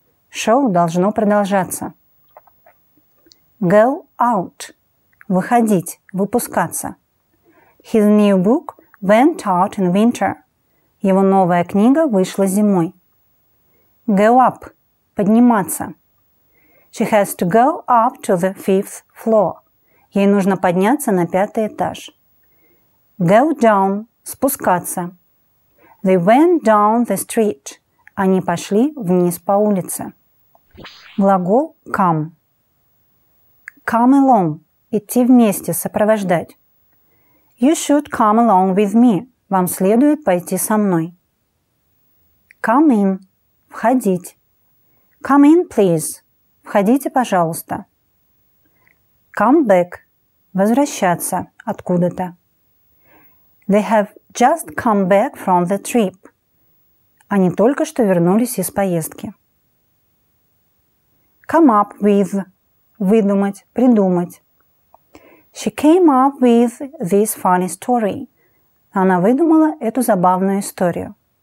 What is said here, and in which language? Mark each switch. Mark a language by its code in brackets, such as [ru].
[ru] Шоу должно продолжаться. [en] Go out. [ru] Выходить, выпускаться. [en] His new book went out in winter. [ru] Его новая книга вышла зимой. [en] Go up. [ru] Подниматься. [en] She has to go up to the fifth floor. [ru] Ей нужно подняться на пятый этаж. [en] Go down. [ru] Спускаться. [en] They went down the street. [ru] Они пошли вниз по улице. Глагол come. [en] Come along. [ru] Идти вместе, сопровождать. [en] You should come along with me. [ru] Вам следует пойти со мной. [en] Come in. [ru] Входить. [en] Come in, please. [ru] Входите, пожалуйста. [en] Come back. [ru] Возвращаться откуда-то. [en] They have just come back from the trip. [ru] Они только что вернулись из поездки. [en] Come up with. [ru] Выдумать, придумать. [en] She came up with this funny story. [ru] Она выдумала эту забавную историю.